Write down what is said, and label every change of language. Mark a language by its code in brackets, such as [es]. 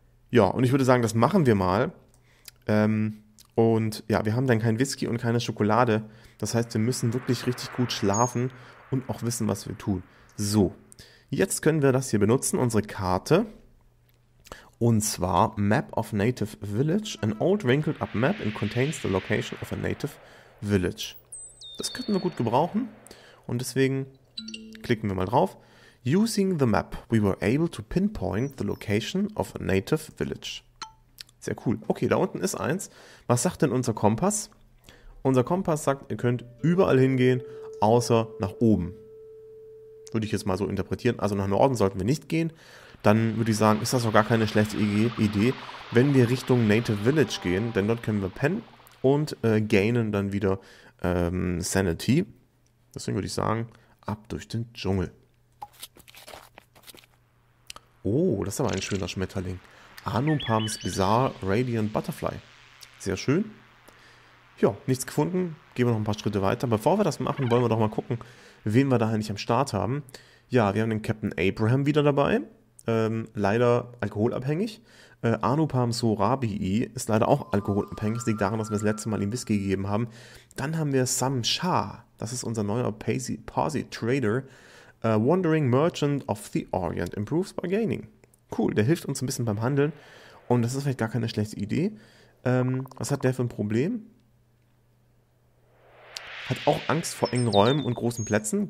[de] Ja, und ich würde sagen, das machen wir mal. Und ja, wir haben dann kein Whisky und keine Schokolade. Das heißt, wir müssen wirklich richtig gut schlafen und auch wissen, was wir tun. So, jetzt können wir das hier benutzen, unsere Karte. Und zwar Map of Native Village. [en] An old wrinkled up map and contains the location of a native village. [de] Das könnten wir gut gebrauchen. Und deswegen klicken wir mal drauf. [en] Using the map, we were able to pinpoint the location of a native village. [de] Sehr cool. Okay, da unten ist eins. Was sagt denn unser Kompass? Unser Kompass sagt, ihr könnt überall hingehen, außer nach oben. Würde ich jetzt mal so interpretieren. Also nach Norden sollten wir nicht gehen. Dann würde ich sagen, ist das auch gar keine schlechte Idee, wenn wir Richtung Native Village gehen. Denn dort können wir pennen und gainen dann wieder Sanity. Deswegen würde ich sagen, ab durch den Dschungel. Oh, das ist aber ein schöner Schmetterling. Anupams Bizarre Radiant Butterfly. Sehr schön. Ja, nichts gefunden. Gehen wir noch ein paar Schritte weiter. Bevor wir das machen, wollen wir doch mal gucken, wen wir da eigentlich am Start haben. Ja, wir haben den Captain Abraham wieder dabei. leider alkoholabhängig. Anupam Sohrabi ist leider auch alkoholabhängig. Das liegt daran, dass wir das letzte Mal ihm Whisky gegeben haben. Dann haben wir Sam Shah. Das ist unser neuer Posi Trader. [en] Wandering Merchant of the Orient improves by gaining. [de] Cool, der hilft uns ein bisschen beim Handeln. Und das ist vielleicht gar keine schlechte Idee. Was hat der für ein Problem? Hat auch Angst vor engen Räumen und großen Plätzen.